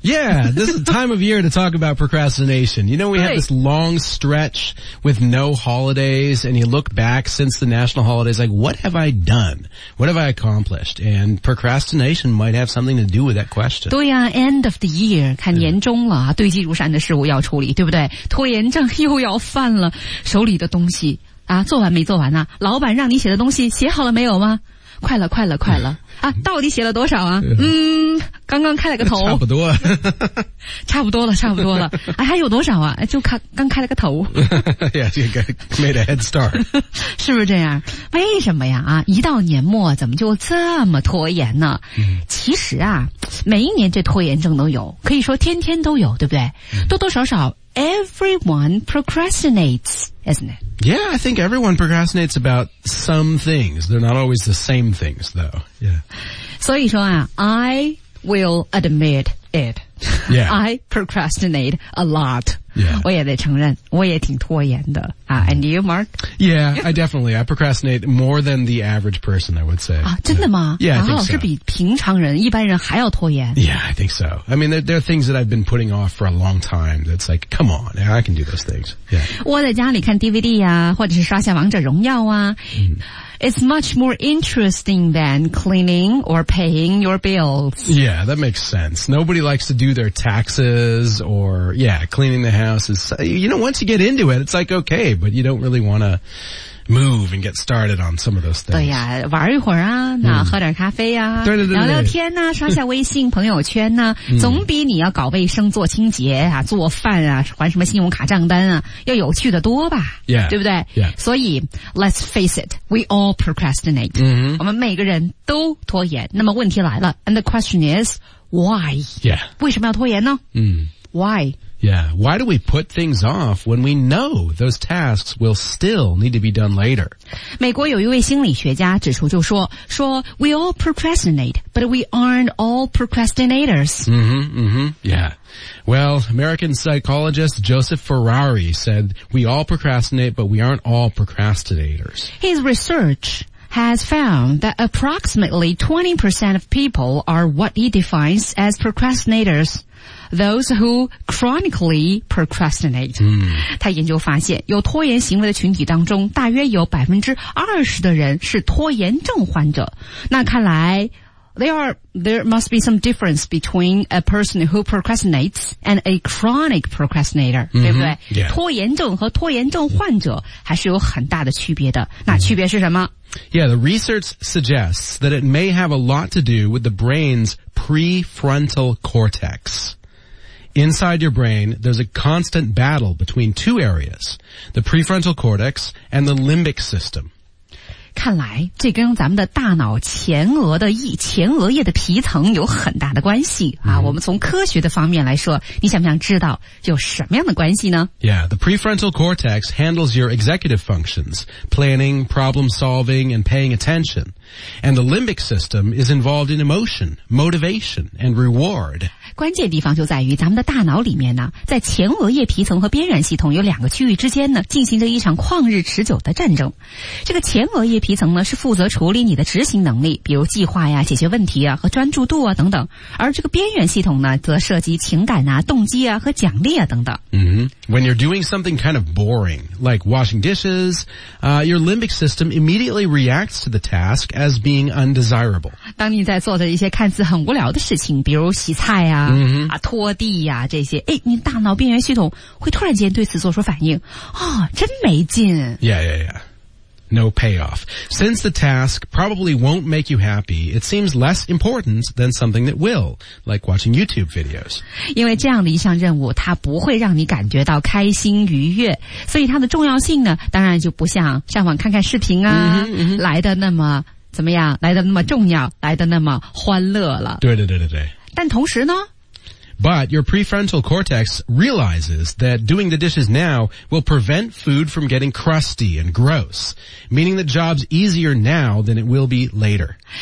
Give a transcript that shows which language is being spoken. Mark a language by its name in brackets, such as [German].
[English] Yeah, this is the time of year to talk about procrastination. You know, we have this long stretch with no holidays, and you look back since the national holidays, like, what have I done? What have I accomplished? And procrastination might have something to do with that question. [Chinese] 对啊 [English] end of the year, [Chinese] 看年终了、堆积如山的事物要处理，对不对？拖延症又要犯了，手里的东西啊，做完没做完啊？老板让你写的东西写好了没有吗？快了快了快了啊，到底写了多少啊？刚刚开了个头，差不多差不多了差不多了，哎，还有多少啊？就刚开了个头。 [English] Yeah, you made a head start. [Chinese] 是不是这样？为什么呀？啊，一到年末怎么就这么拖延呢？其实啊，每一年这拖延症都有，可以说天天都有，对不对？多多少少 [English] everyone procrastinates, isn't it? Yeah, I think everyone procrastinates about some things. They're not always the same things, though. Yeah. [Chinese] 所以说啊, [English] I will admit it. Yeah. I procrastinate a lot. Yeah. [Chinese] 我也得承认,我也挺拖延的。 [English] And you, Mark? Yeah, I definitely. I procrastinate more than the average person, I would say. [Chinese] 啊,真的吗? [English] Yeah, I think so. [Chinese] 是比平常人,一般人还要拖延。 [English] Yeah, I think so. I mean, there are things that I've been putting off for a long time. That's like, come on, I can do those things. Yeah. [Chinese] 窝在家里看 DVD 啊,或者是刷下王者荣耀啊。 [English] It's much more interesting than cleaning or paying your bills. Yeah, that makes sense. Nobody likes to do their taxes or, yeah, cleaning the house is, you know, once you get into it, it's like, okay, but you don't really want to move and get started on some of those things. [Chinese] 对呀、玩一会儿啊、喝点咖啡啊、聊聊天啊、刷下微信朋友圈啊、总比你要搞卫生做清洁啊、做饭啊、还什么信用卡账单啊要有趣的多吧。 [English] Yeah, [Chinese] 对不对、 [English] yeah. 所以 let's face it, we all procrastinate.、 [Chinese] 我们每个人都拖延。那么问题来了 [English] and the question is, why?、 Yeah. [Chinese] 为什么要拖延呢、 [English] Why? Yeah, why do we put things off when we know those tasks will still need to be done later? [Chinese] 美国有一位心理学家指出就说，说 [English] we all procrastinate, but we aren't all procrastinators. Yeah. Well, American psychologist Joseph Ferrari said, we all procrastinate, but we aren't all procrastinators. His research... has found that approximately 20% of people are what he defines as procrastinators, those who chronically procrastinate. [Chinese] 他研究发现有拖延行为的群体当中大约有 20% 的人是拖延症患者。那看来 [English] There must be some difference between a person who procrastinates and a chronic procrastinator, [Chinese] 对不对、 [English] yeah. [Chinese] 拖延症和拖延症患者还是有很大的区别的。那区别是什么、 [English] Yeah, the research suggests that it may have a lot to do with the brain's prefrontal cortex. Inside your brain, there's a constant battle between two areas, the prefrontal cortex and the limbic system. [Chinese] 看来这跟咱们的大脑前额叶的皮层有很大的关系、我们从科学的方面来说，你想不想知道有什么样的关系呢？ [English] Yeah, the prefrontal cortex handles your executive functions, planning, problem solving, and paying attention. And the limbic system is involved in emotion, motivation, and reward. [Chinese] 关键地方就在于咱们的大脑里面呢，在前额叶皮层和边缘系统有两个区域之间呢，进行着一场旷日持久的战争。这个前额叶皮层呢，是负责处理你的执行能力，比如计划呀、解决问题啊和专注度啊等等。而这个边缘系统呢，则涉及情感啊、动机啊和奖励啊等等。 [English] When you're doing something kind of boring, like washing dishes, your limbic system immediately reacts to the task as being undesirable. [Chinese] 当你在做着一些看似很无聊的事情，比如洗菜啊、拖地呀、这些，哎，你大脑边缘系统会突然间对此做出反应，啊、真没劲。 [English] Yeah. No payoff. Since the task probably won't make you happy, it seems less important than something that will, like watching YouTube videos. [Chinese] 因为这样的一项任务，它不会让你感觉到开心愉悦，所以它的重要性呢，当然就不像上网看看视频啊，来的那么怎么样，来的那么重要，来的那么欢乐了。对。但同时呢 [English] But your prefrontal cortex realizes that doing the dishes now will prevent food from getting crusty and gross, meaning the job's easier now than it will be later.